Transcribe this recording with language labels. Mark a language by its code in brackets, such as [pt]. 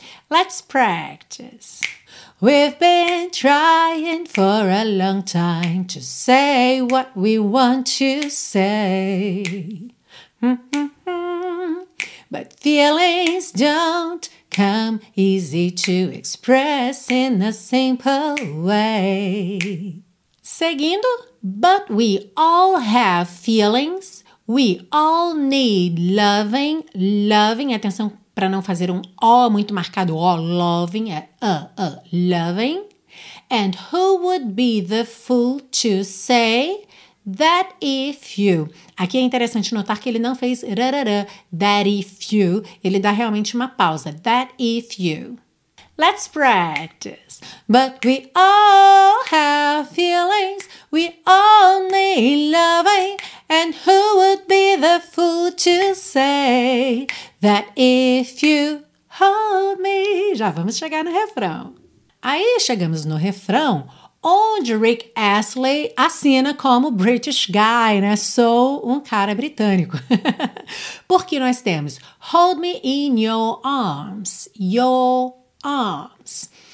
[en] Let's practice. We've been trying for a long time to say what we want to say. But feelings don't come easy to express in a simple way. [pt] Seguindo, [en] but we all have feelings. We all need loving. [pt] Loving, atenção para não fazer um O muito marcado. O, [en] loving, [pt] é loving. [en] And who would be the fool to say that if you. [pt] Aqui é interessante notar que ele não fez rarara, [en] that if you. [pt] Ele dá realmente uma pausa. [en] That if you. Let's practice. But we all have feelings. We all need loving. And who would be the fool to say that if you hold me. [pt] Já vamos chegar no refrão. Aí chegamos no refrão, onde Rick Astley assina como [en] British guy, [pt] né? Sou um cara britânico. Porque nós temos [en] hold me in your arms, your arms.